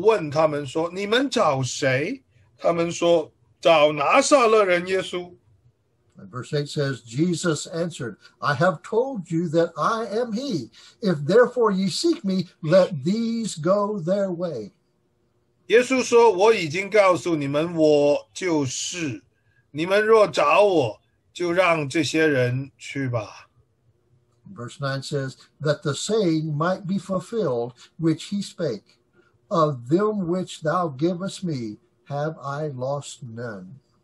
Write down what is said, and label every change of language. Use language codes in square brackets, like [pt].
[zh] 他又问他们说，你们找谁？他们说，找拿撒勒人耶稣。 [en] Verse 8 says, Jesus answered, I have told you that I am he. If therefore ye seek me, let these go their way. [zh] 耶稣说，我已经告诉你们，我就是。你们若找我， 就让这些人去吧。 [en] Verse 9 says, that the saying might be fulfilled which he spake, of them which thou givest me have I lost none.